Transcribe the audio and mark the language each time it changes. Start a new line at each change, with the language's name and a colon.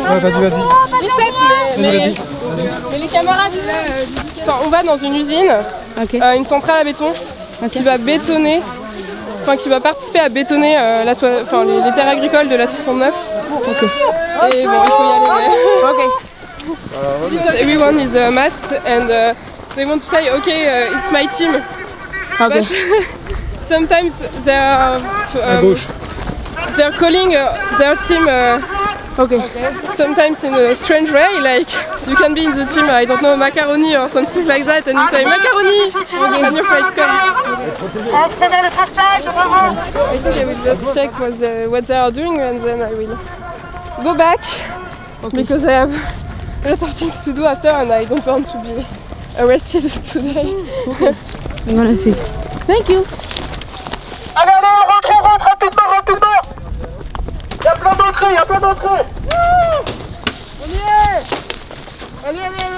French: Ouais, vas-y. 17, mais les caméras, on va dans une usine, okay. Une centrale à béton, okay. qui va participer à bétonner les terres agricoles de la 69. Okay. Et bon, il faut y aller. Okay.
English: Everyone is masked and they want to say okay, it's my team. Okay. But sometimes they're calling their team. Okay. Sometimes in a strange way, like you can be in the team. I don't know, macaroni or something like that, and you say macaroni. Okay. And your friends come. Okay. I think I will just check what they are doing, and then I will go back, okay. Because I have. A lot of things to do after, and I don't want to be arrested today.
French: Okay. Voilà, c'est.
English: Thank you!
French: Allez, rentrez, rapidement! Y'a plein d'entrées, y'a plein d'entrées! Wouh! On y est! Allez!